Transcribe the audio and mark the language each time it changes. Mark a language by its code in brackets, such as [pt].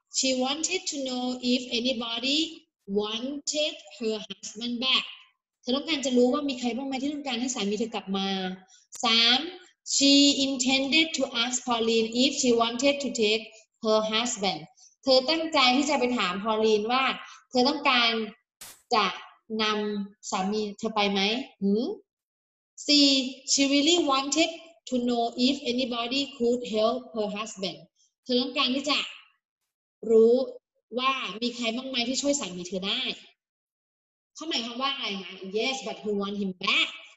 [en] She wanted to know if anybody wanted her husband back [th] เธอต้องการจะรู้ว่ามีใครบ้างไหมที่ต้องการให้สามีเธอกลับมา [en] 3. She intended to ask Pauline if she wanted to take her husband [th] เธอตั้งใจที่จะไปถาม Pauline ว่าเธอต้องการจะนำสามีเธอไปไหมหือC. [en] She really wanted to know if anybody could help her husband. [th] เธอต้องการที่จะรู้ว่ามีใครบ้างไหมที่ช่วยสามีเธอได้เขาหมายความว่าอะไรคะ [en] Yes, but who want him back?